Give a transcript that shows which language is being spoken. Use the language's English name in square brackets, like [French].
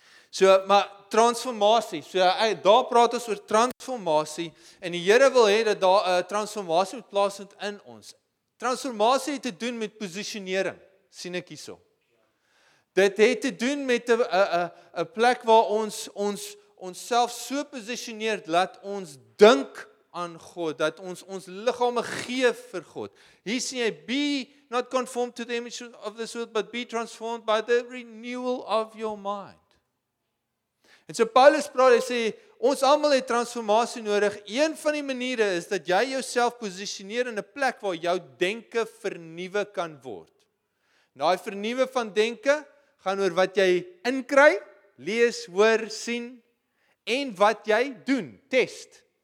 [Afrikaans] So, maar transformasie. So, daar praat ons oor transformasie en die Here wil hê dat daar 'n transformasie moet plaasvind in ons. Transformasie het te doen met posisionering, sien ek hierso. Dit het te doen met 'n plek waar ons onsself so positioneer dat ons dink aan God, dat ons liggame gee vir God. [English] He sê, be not conformed to the image of this world, but be transformed by the renewal of your mind. [Afrikaans] En so Paulus praat, hy sê, ons allemaal het transformatie nodig. Een van die maniere is, dat jy jouself positioneer in 'n plek waar jou denke vernieuwe kan word. Nou, die vernieuwe van denke, gaan oor wat jy inkry, lees, hoor, sien, en wat jy doen, test.